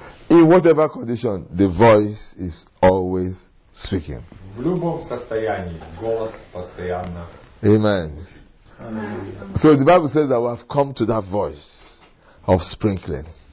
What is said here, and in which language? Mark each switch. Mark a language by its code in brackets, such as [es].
[en] In whatever condition, the voice is always speaking. [ru] В любом состоянии голос постоянно. [en] Amen. So the Bible says that we have come to that voice of sprinkling.